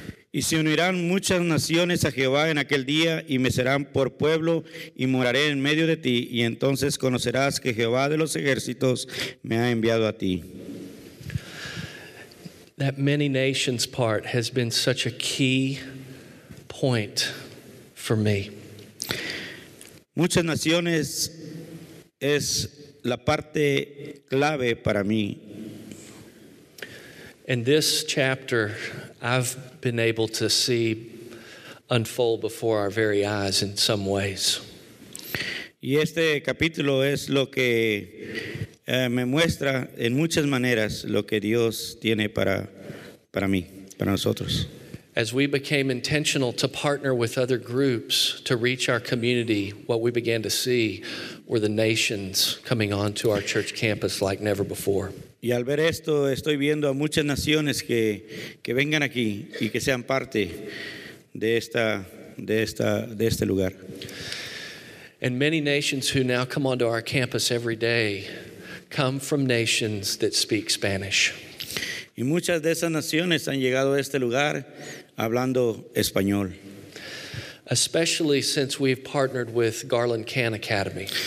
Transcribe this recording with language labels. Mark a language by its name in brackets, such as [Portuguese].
[Spanish] Y se unirán muchas naciones a Jehová en aquel día, y me serán por pueblo, y moraré en medio de ti, y entonces conocerás que Jehová de los ejércitos me ha enviado a ti. [English] That many nations part has been such a key point for me. [Spanish] Muchas naciones es la parte clave para mí. [English] In this chapter, I've been able to see unfold before our very eyes in some ways. [Spanish] Y este capítulo es lo que me muestra en muchas maneras lo que Dios tiene para mí, para nosotros. [English] As we became intentional to partner with other groups to reach our community, what we began to see were the nations coming onto our church campus like never before. [Spanish] Y al ver esto, estoy viendo a muchas naciones que vengan aquí y que sean parte de este lugar. [English] And many nations who now come onto our campus every day come from nations that speak Spanish. [Spanish] Y muchas de esas naciones han llegado a este lugar hablando español. [English] Especially since we've partnered with Garland Kahn Academy.